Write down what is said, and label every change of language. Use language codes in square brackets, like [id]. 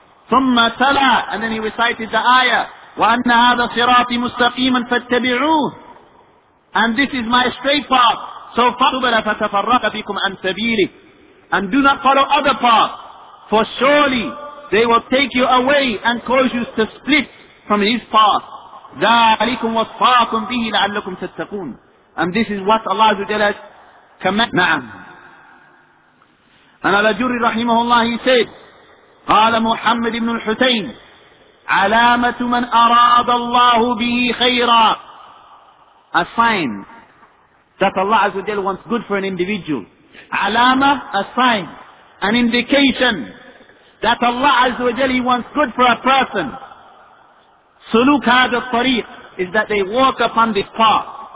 [ar] ثُمَّ تَلَى, [en] and then he recited the ayah, [ar] وَأَنَّ هَذَا صِرَاطِ مُسْتَقِيمًا فَاتَّبِعُوهُ, [en] and this is my straight path, so [ar] فَطُبَلَ فَتَفَرَّقَ بِكُمْ عَنْ سَبِيلِهِ, [en] and do not follow other paths, for surely they will take you away and cause you to split from his path. [ar] ذَلِكُمْ وَصَّاكُمْ بِهِ لَعَلَّكُمْ تَتَّقُونَ, [en] and this is what Allah Azza wa Jalla commanded. Na'am. And Al-Ajuri rahimahullah, he said, [ar] قال محمد بن الحسين: علامة من أراد الله به خيرا. [en] A sign that Allah عز وجل wants good for an individual. علامة, a sign, an indication that Allah عز وجل wants good for a person. [ar] سلوك هذا الطريق [en] is that they walk upon this path.